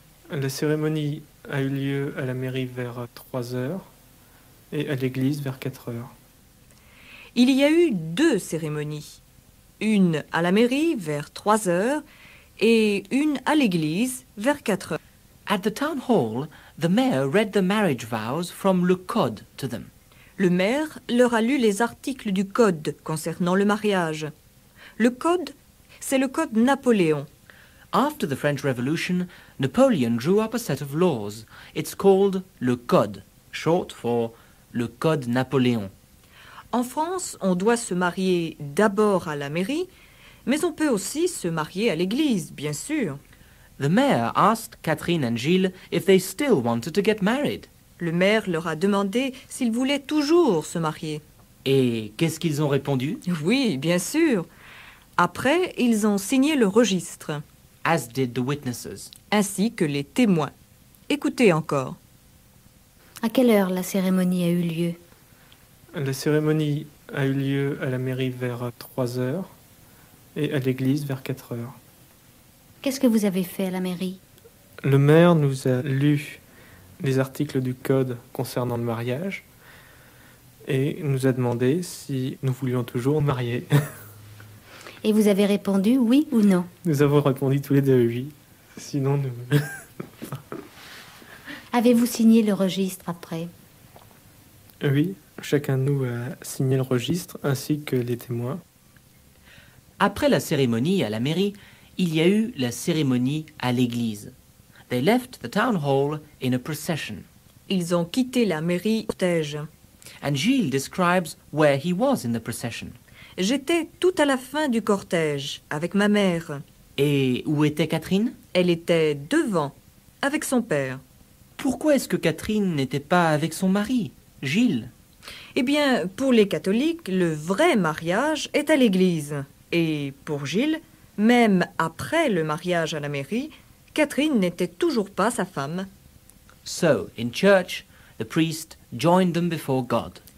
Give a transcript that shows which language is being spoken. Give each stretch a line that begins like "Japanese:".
French: La cérémonie a eu lieu à la mairie vers 3h et à l'église vers 4h. Il y a eu deux cérémonies. Une à la mairie vers 3h et une à l'église vers 4h.
English: At the town hall, the mayor read the marriage vows from Le Code to them.
French: Le maire leur a lu les articles du Code concernant le mariage. Le Code, c'est le Code Napoléon.
English: After the French Revolution, Napoleon drew up a set of laws. It's called le Code, short for le Code Napoléon.
French: En France, on doit se marier d'abord à la mairie, mais on peut aussi se marier à l'église, bien sûr.
English: The mayor asked Catherine and Gilles if they still wanted to get married.
French: Le maire leur a demandé s'ils voulaient toujours se marier. Et qu'est-ce qu'ils ont répondu? Oui, bien sûr. Après, ils ont signé le registre.
English: As did the witnesses.
French: Ainsi que les témoins. Écoutez encore. À quelle heure la cérémonie a eu lieu? La cérémonie a eu lieu à la mairie vers 3h et à l'église vers 4h. Qu'est-ce que vous avez fait à la mairie? Le maire nous a lu les articles du code concernant le mariage et nous a demandé si nous voulions toujours marier. Et vous avez répondu oui ou non? Nous avons répondu tous les deux oui. Sinon, nous... Avez-vous signé le registre après? Oui, chacun de nous a signé le registre, ainsi que les témoins. Après la cérémonie à la mairie, il y a eu la cérémonie à l'église.
English: They left the town hall in a procession.
French: Ils ont quitté la mairie en cortège.
English: And Gilles describes where he was in the procession.
French: J'étais tout à la fin du cortège, avec ma mère. Et où était Catherine? Elle était devant, avec son père. Pourquoi est-ce que Catherine n'était pas avec son mari, Gilles? Eh bien, pour les catholiques, le vrai mariage est à l'église. Et pour Gilles, Même après le mariage à la mairie, Catherine n'était toujours pas sa femme.
English: So, in church, the priest joined them before God.